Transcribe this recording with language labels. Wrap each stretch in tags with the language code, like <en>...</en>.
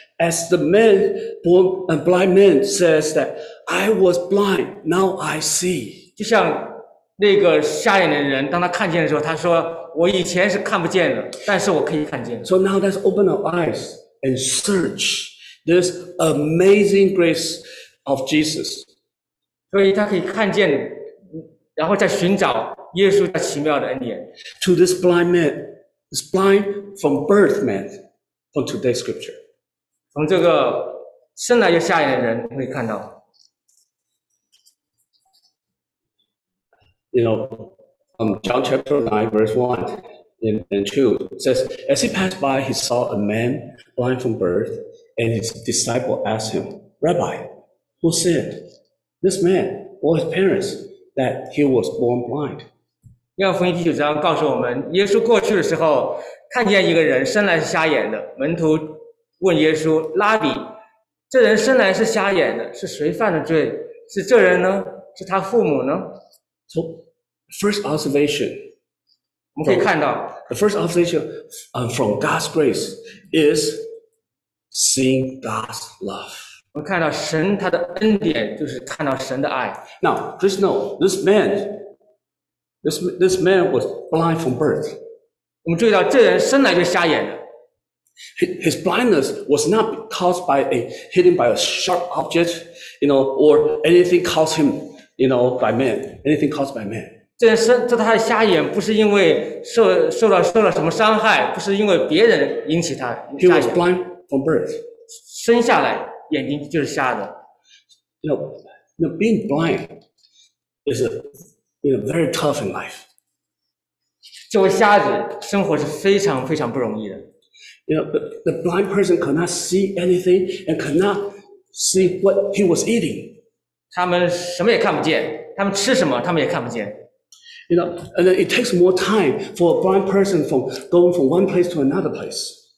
<en>As the man born a blind man says that I was blind, now I see.</en> <zh>就像那个瞎眼的人，当他看见的时候，他说：“我以前是看不见的，但是我可以看见。”</zh> <en>So now let's open our eyes and search this amazing grace of Jesus.</en> <zh>所以他可以看见，然后再寻找。耶稣他奇妙的恩典。</zh> <en>To this blind man, this blind from birth man, from today's scripture.</en> <zh>从这个生来就瞎眼的人可以看到。</zh> <en>You know, John chapter 9 verse 1 and 2 says, As he passed by, he saw a man blind from birth, And his disciple asked him, Rabbi, who sinned, this man or his parents, that he was born blind?</en> <zh>约翰福音第九章告诉我们，耶稣过去的时候看见一个人生来是瞎眼的，门徒问耶稣，拉比，这人生来是瞎眼的，是谁犯的罪？是这人呢？是他父母呢？</zh> <en>So, first observation,</en> <zh>我们可以看到</zh> <en>the first observation from God's grace is seeing God's love.</en> <zh>我们看到神他的恩典就是看到神的爱。</zh> <en>Now, please know, this man was blind from birth.</en> <zh>我们注意到这人生来就瞎眼的。</zh> <en>His blindness was not caused by a hidden by a sharp object, you know, or anything caused him, you know, by man. Anything caused by man.</en> <zh>这他的瞎眼不是因为受到什么伤害，不是因为别人引起他瞎眼。</zh> <en>He was blind from birth.</en> <zh>生下来眼睛就是瞎的。</zh> <en>You know, being blind is a very tough in life.</en> <zh>作为瞎子，生活是非常非常不容易的。</zh> <en>You know, the blind person could not see anything and could not see what he was eating.</en> <zh>他们什么也看不见，他们吃什么他们也看不见。</zh> <en>You know, and then it takes more time for a blind person from going from one place to another place.</en>